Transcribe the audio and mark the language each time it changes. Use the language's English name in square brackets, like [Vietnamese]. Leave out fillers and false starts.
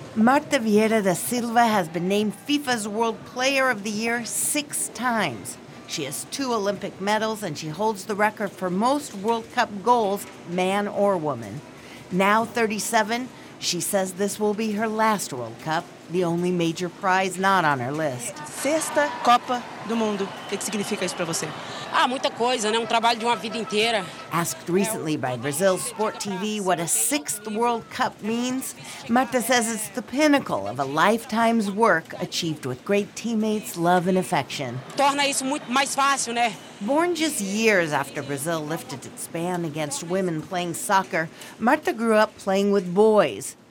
[English] Marta Vieira da Silva has been named FIFA's World Player of the Year 6 times. She has 2 Olympic medals and she holds the record for most World Cup goals, man or woman. Now 37, she says this will be her last World Cup, the only major prize not on her list. [Portuguese] Sexta Copa do Mundo. O que significa isso para você? Ah, muita coisa, né? Um trabalho de uma vida inteira. [English] Asked recently by Brazil's Sport TV what a sixth World Cup means, Marta says it's the pinnacle of a lifetime's work achieved with great teammates, love, and affection. [Portuguese] Torna isso muito mais fácil, né? [English] Born just years after Brazil lifted its ban against women playing soccer, Marta grew up playing with boys.